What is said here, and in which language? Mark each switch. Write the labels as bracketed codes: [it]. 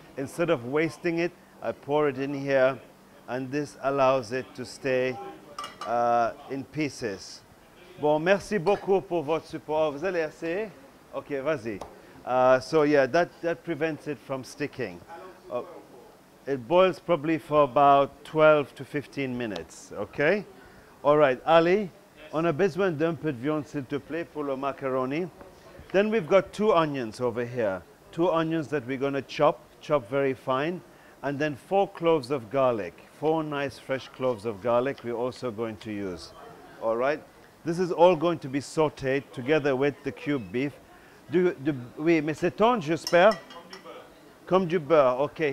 [en] Instead of wasting it, I pour it in here, and this allows it to stay in pieces. [fr] Bon, merci beaucoup pour votre support. Vous allez essayer? Okay, vas-y. [en] So yeah, that prevents it from sticking. It boils probably for about 12 to 15 minutes, okay? [fr] All right, Ali, on a besoin d'un peu de viande, s'il te plaît, pour le macaroni. [en] Then we've got two onions over here. Two onions that we're gonna chop very fine. And then four cloves of garlic, four nice fresh cloves of garlic we're also going to use. All right, this is all going to be sauteed together with the cube beef. [fr] Oui, mais c'est tendre, j'espère. Comme du beurre, okay.